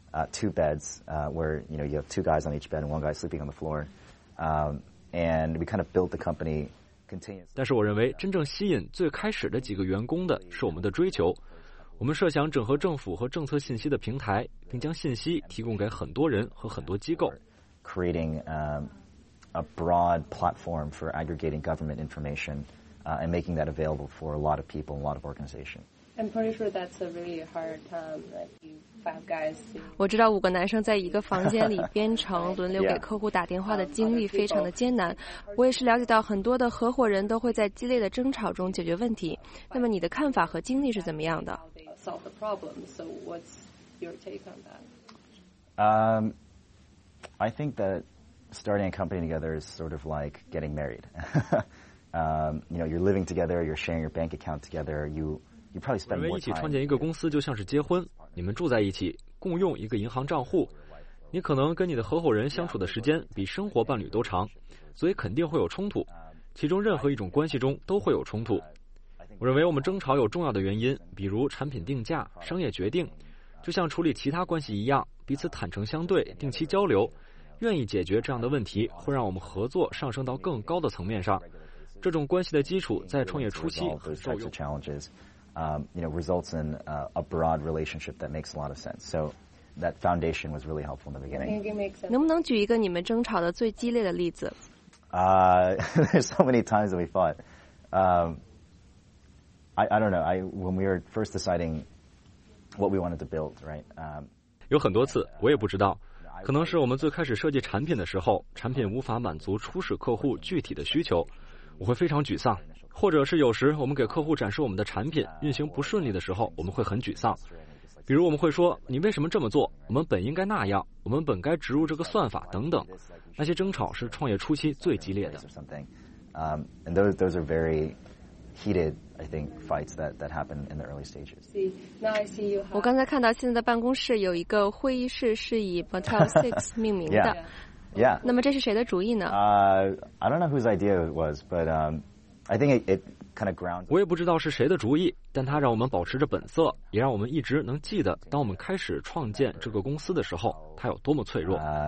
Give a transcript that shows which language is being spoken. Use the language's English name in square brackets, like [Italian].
[English] Two beds, where you know you have two guys on each bed and one guy sleeping on the floor, and we kind of built the company continuously. [Chinese] 但是我认为真正吸引最开始的几个员工的是我们的追求。我们设想整合政府和政策信息的平台，并将信息提供给很多人和很多机构。 [English] Creating a broad platform for aggregating government information, and making that available for a lot of people and a lot of organizations. I'm pretty sure that's a really hard time, like you five guys. [Chinese] 我知道五个男生在一个房间里编程，轮流给客户打电话的经历非常的艰难。我也是了解到很多的合伙人都会在激烈的争吵中解决问题。那么你的看法和经历是怎么样的 [English] ？Solve the problem. So what's your take on that? I think that starting a company together is sort of like getting married. you know, you're living together, you're sharing your bank account together, you. [Chinese] 你们一起创建一个公司就像是结婚，你们住在一起，共用一个银行账户，你可能跟你的合伙人相处的时间比生活伴侣都长，所以肯定会有冲突，其中任何一种关系中都会有冲突。我认为我们争吵有重要的原因，比如产品定价、商业决定，就像处理其他关系一样，彼此坦诚相对，定期交流，愿意解决这样的问题会让我们合作上升到更高的层面上，这种关系的基础在创业初期很受用。 [English] You know, results in a broad relationship that makes a lot of sense. So that foundation was really helpful in the beginning. [Chinese] 能不能举一个你们争吵的最激烈的例子？ [English] There's so many times that we fought. I don't know. When we were first deciding what we wanted to build, right? [Chinese] 有很多次，我也不知道。可能是我们最开始设计产品的时候，产品无法满足初始客户具体的需求，我会非常沮丧。或者是有时我们给客户展示我们的产品运行不顺利的时候，我们会很沮丧。比如我们会说，你为什么这么做？我们本应该那样，我们本该植入这个算法等等。那些争吵是创业初期最激烈的。 [English] And those are very heated, I think, fights that happen in the early stages. [Chinese] 我刚才看到现在的办公室有一个会议室是以 Motel 6 命名的。 [English] Yeah. [Chinese] 那么这是谁的主意呢？ [English] I don't know whose idea it was, but I think it kind of grounds. [Chinese] 我也不知道是谁的主意，但它让我们保持着本色，也让我们一直能记得，当我们开始创建这个公司的时候，它有多么脆弱。